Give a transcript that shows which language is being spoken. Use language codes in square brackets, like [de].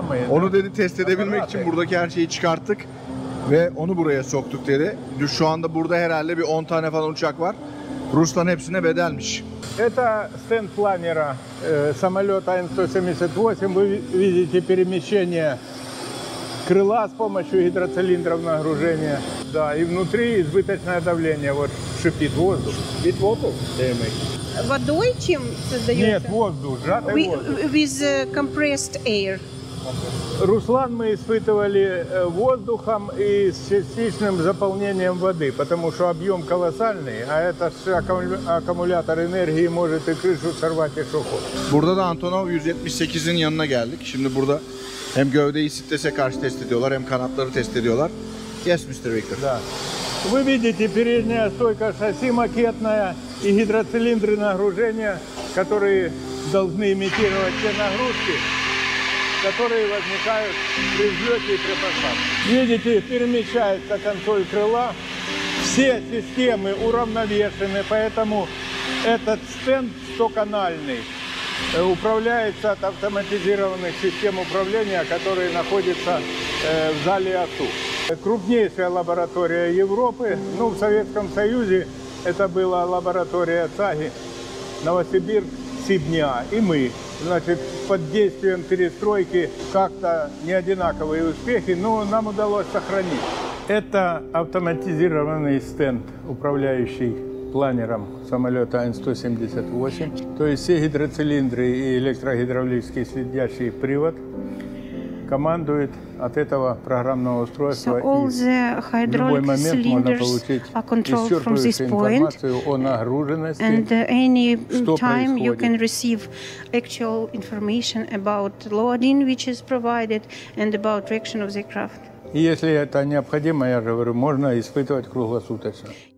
[tr] Onu dedi test edebilmek için buradaki her şeyi çıkarttık ve onu buraya soktuk dedi. Şu anda burada herhalde bir 10 tane falan uçak var. Ruslan hepsine bedelmiş. [ru] Это стенд планера самолета АН-178. Вы видите перемещение крыла с помощью гидроцилиндров нагружения. Да, и внутри избыточное давление. Вот шипит воздух. [en] With water they make. But the way [ru] чем создаете? Нет, воздух, жаркий воздух. [en] With compressed air. [ru] Руслан, мы испытывали воздухом и с частичным заполнением воды, потому что объем колоссальный, а это аккумулятор энергии может и крышу сорвать, и что хочет. [tr] Burada da Antonov 178'in yanına geldik. Şimdi burada hem gövdeyi strese karşı test ediyorlar, hem kanatları test ediyorlar. [en] Yes, Mr. Victor. [ru] Да. Вы видите, передняя стойка шасси макетная и гидроцилиндры нагружения, которые должны имитировать все нагрузки, которые возникают при взлете и при посадке. Видите, перемещается консоль крыла. Все системы уравновешены, поэтому этот стенд стоканальный управляется от автоматизированных систем управления, которые находятся в зале АТУ. Крупнейшая лаборатория Европы, ну, в Советском Союзе это была лаборатория ЦАГИ, Новосибирск, Сибня, и мы. Значит, под действием перестройки как-то не одинаковые успехи, но нам удалось сохранить. Это автоматизированный стенд, управляющий планером самолета АН-178. То есть все гидроцилиндры и электрогидравлический следящий привод командует от этого программного устройства. [en] So all the hydraulic cylinders are controlled from this point. And any time you can receive actual information about loading, which is provided, and about reaction of the craft. [ru] И если это необходимо, я же говорю, можно испытывать круглосуточно.